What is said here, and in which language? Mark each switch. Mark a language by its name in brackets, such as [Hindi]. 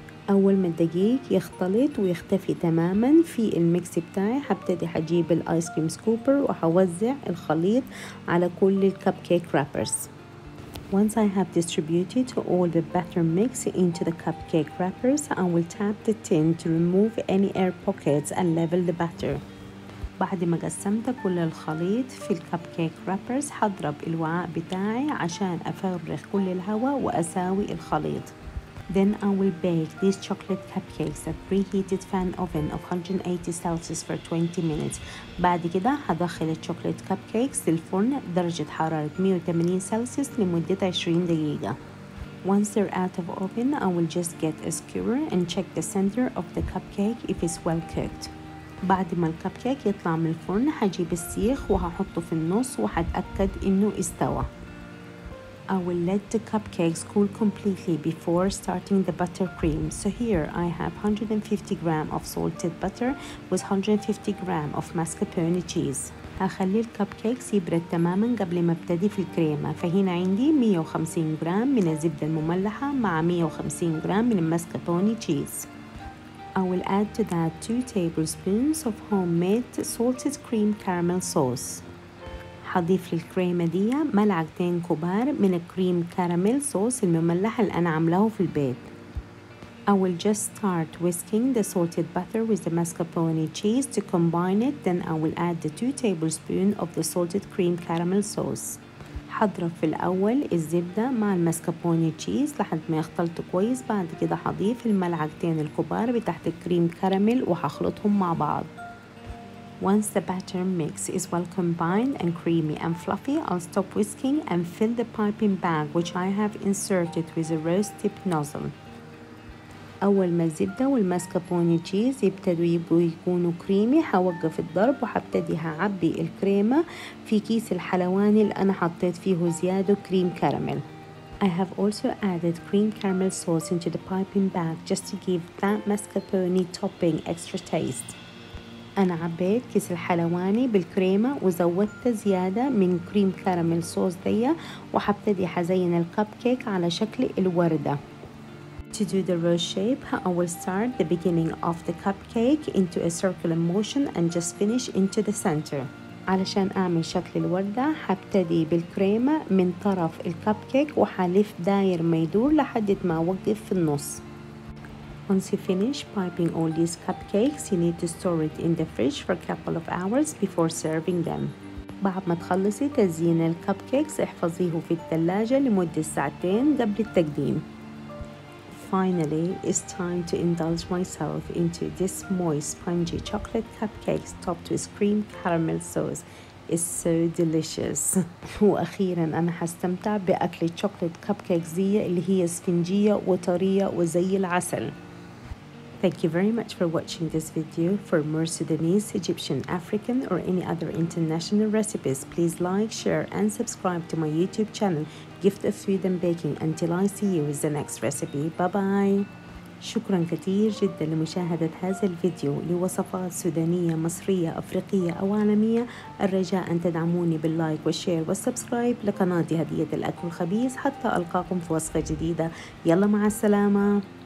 [Arabic] اول ما الدقيق يختلط ويختفي تماما في الميكس بتاعي هبتدي هجيب الايس كريم سكوبر وهوزع الخليط على كل الكب كيك رابرز. [English] Once I have distributed all the batter mix into the cupcake wrappers, I will tap the tin to remove any air pockets and level the batter. [Arabic] بعد ما قسمت كل الخليط في الكب كيك رابرز هضرب الوعاء بتاعي عشان افرغ كل الهواء واساوي الخليط. [English] Then I will bake these chocolate cupcakes at preheated fan oven of 180 Celsius for 20 minutes. [Arabic] بعد كده هدخل الشوكليت كب كيكس للفرن درجة حرارة 180 سلسيوس لمدة 20 دقيقة. [English] Once they're out of oven, I will just get a skewer and check the center of the cupcake if it's well cooked. [Arabic] بعد ما الكب كيك يطلع من الفرن هجيب السيخ وهحطه في النص وهتأكد إنه استوى. [English] I will let the cupcakes cool completely before starting the buttercream. So here I have 150 grams of salted butter with 150 grams of mascarpone cheese. [Arabic] هخلي الكبكيكس يبرد تماما قبل ما ابتدي في الكريمة. فهنا عندي 150 جرام من الزبدة المملحة مع 150 جرام من المسكربوني تشيز. [English] I will add to that 2 tablespoons of homemade salted cream caramel sauce. [Arabic] هضيف للكريمة دي ملعقتين كبار من الكريم كراميل صوص المملح اللي أنا عملاه في البيت. [English] I will just start whisking the salted butter with the mascarpone cheese to combine it. Then I will add the 2 tablespoons of the salted cream caramel sauce. [Arabic] هضرب في الأول الزبدة مع المسكابوني تشيز لحد ما يختلط كويس. بعد كده هضيف الملعقتين الكبار بتاعت الكريم كراميل وهخلطهم مع بعض. [English] Once the batter mix is well combined and creamy and fluffy, I'll stop whisking and fill the piping bag which I have inserted with a rose tip nozzle. [Arabic] أول ما الزبدة والمسكابوني تشيز يبتدوا يبقوا يكونوا كريمي هوقف الضرب وهبتدي هعبي الكريمة في كيس الحلواني اللي أنا حطيت فيه زيادة كريم كراميل. [English] I have also added cream caramel sauce into the piping bag just to give that mascarpone topping extra taste. [Arabic] أنا عبيت كيس الحلواني بالكريمة وزودت زيادة من كريم كراميل صوص دي وحبتدي حزين الكب كيك على شكل الوردة. [English] To do the rose shape, I will start the beginning of the cupcake into a circular motion and just finish into the center. [Arabic] علشان أعمل شكل الوردة حبتدي بالكريمة من طرف الكب كيك وحلف داير ما يدور لحد ما أوقف في النص. [English] Once you finish piping all these cupcakes, you need to store it in the fridge for a couple of hours before serving them. [Arabic] بعد ما تخلصي تزيين الكب كيكس احفظيه في الثلاجة لمدة ساعتين قبل التقديم. [English] Finally, it's time to indulge myself into this moist, spongy chocolate cupcakes topped with cream caramel sauce. It's so delicious. [Arabic] وأخيرا أنا هستمتع بأكل الشوكولات كب كيك زي اللي هي اسفنجية وطرية وزي العسل. [English] Thank you very much for watching this video. For more Sudanese, Egyptian, African, or any other international recipes, please like, share, and subscribe to my YouTube channel, Gift of Food and Baking. Until I see you with the next recipe. Bye-bye. [Arabic] شكرا كثير جدا لمشاهدة هذا الفيديو لوصفات سودانية مصرية أفريقية أو عالمية. الرجاء أن تدعموني باللايك والشير والسبسكرايب لقناتي هدية الأكل الخبيث حتى ألقاكم في وصفة جديدة. يلا مع السلامة.